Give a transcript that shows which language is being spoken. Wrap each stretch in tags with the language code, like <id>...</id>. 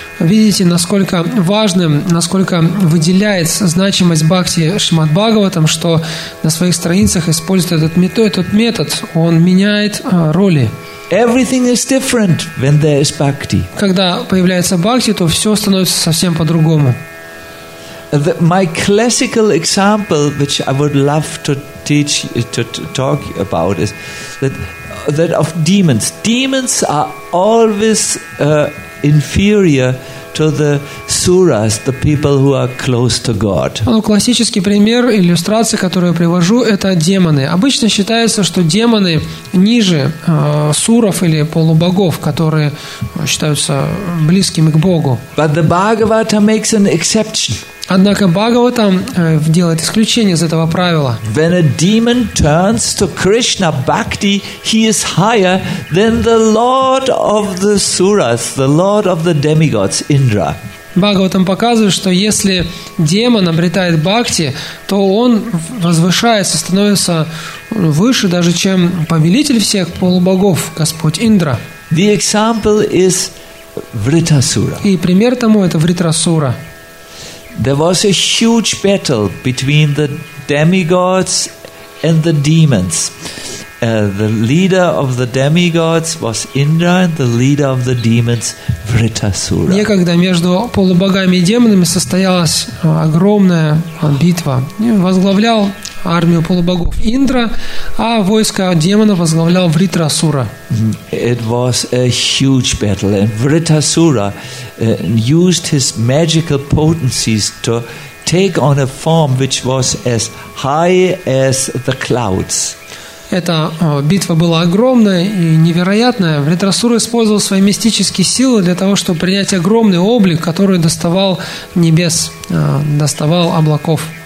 <ru>Видите, насколько важным, насколько выделяет значимость бхакти Шримад Бхагаватам, что на своих страницах использует этот метод, он меняет роли.</ru> <en>Everything is different when there is bhakti.</en> <ru>Когда появляется бхакти, то все становится совсем по-другому.</ru> <en>My classical example, which I would love to talk about, is that that of demons. Demons are always inferior to the suras, the people who are close to God.</en> <ru>Ну, классический пример, иллюстрация, которую я привожу, это демоны. Обычно считается, что демоны ниже суров или полубогов, которые считаются близкими к Богу.</ru> <en>But the Bhagavata makes an exception.</en> <ru>Однако Бхагавата делает исключение из этого правила.</ru> <en>When a demon turns to Krishna bhakti, he is higher than the lord of the suras, the lord of the demigods, Indra.</en> <ru>Бхагаватам показывает, что если демон обретает бхакти, то он возвышается, становится выше даже, чем повелитель всех полубогов, Господь Индра.</ru> <en>The example is Vritasura.</en> <ru>И пример тому – это Вритрасура.</ru> <en>There was a huge battle between the demigods and the demons. The leader of the demigods was Indra, and the leader of the demons, Vritasura.</en> <ru>Некогда между полубогами и демонами состоялась огромная битва. Возглавлял армию полубогов Индра, а войско демонов возглавлял Вритрасура.</ru> <en>It was a huge battle, and Vritasura used his magical potencies to take on a form which was as high as the clouds.</en> <ru>Эта битва была огромная и невероятная. Вритрасура использовал свои мистические силы для того, чтобы принять огромный облик, который доставал небес, доставал облаков.</ru>